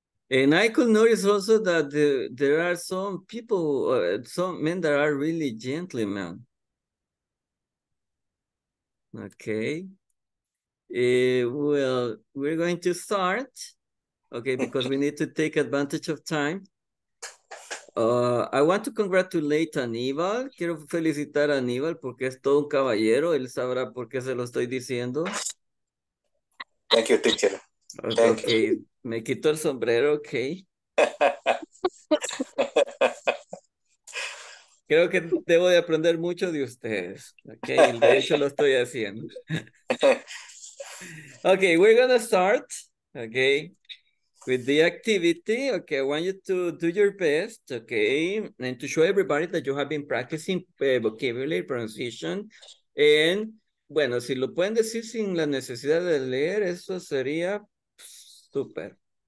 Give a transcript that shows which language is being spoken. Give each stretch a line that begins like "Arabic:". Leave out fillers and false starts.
English: And I could notice also that there are some people, some men that are really gentlemen. Okay. Well, we're going to start. Okay, because we need to take advantage of time. I want to congratulate Aníbal.
Spanish: Quiero felicitar a Aníbal porque es todo un caballero. Él sabrá por qué se lo estoy diciendo.
English: Thank you, teacher. Okay. Thank you.
Spanish: Me quito el sombrero, ok. Creo que debo de aprender mucho de ustedes. Ok, de hecho lo estoy haciendo.
English: Ok, we're going to start, ok, with the activity. Ok, I want you to do your best, ok, and to show everybody that you have been practicing vocabulary, pronunciation, and,
Spanish: bueno, si lo pueden decir sin la necesidad de leer, eso sería súper.